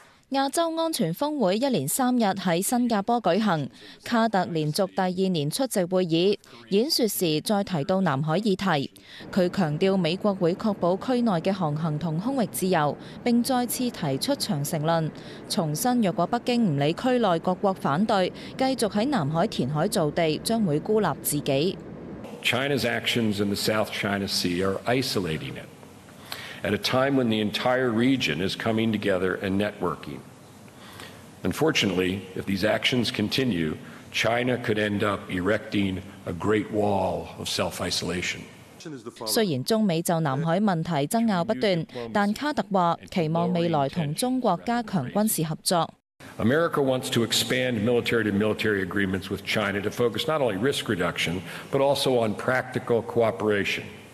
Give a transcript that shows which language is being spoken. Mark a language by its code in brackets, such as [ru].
[zh] 亞洲安全峰會一連3日在新加坡舉行，卡特連續第2年出席會議，演說時再提到南海議題。他強調美國會確保區內的航行和空域自由，並再次提出長城論，重申若果北京不理區內各國反對，繼續在南海填海造地，將會孤立自己。 [en] China's actions in the South China Sea are isolating it. At a time when the entire region is coming together and networking. Unfortunately, if these actions continue, China could end up erecting a great wall of self-isolation. [zh] 雖然中美就南海問題爭拗不斷，但卡特話期望未來同中國加強軍事合作。 [en] America wants to expand military-to-military agreements with China to focus not only risk reduction, but also on practical cooperation.